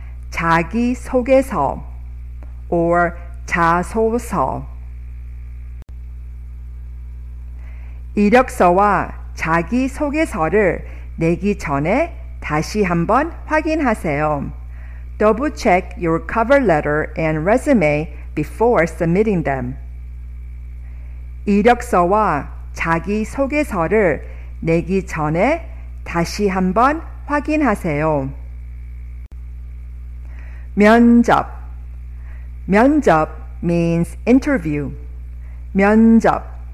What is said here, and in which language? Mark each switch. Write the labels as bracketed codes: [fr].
[ko] 자기소개서 or 자소서. 이력서와 자기소개서를 내기 전에 다시 한번 확인하세요. [en] Double check your cover letter and resume before submitting them. [ko] 이력서와 자기소개서를 내기 전에 다시 한번 확인하세요. [en] 면접. 면접 means interview. 면접.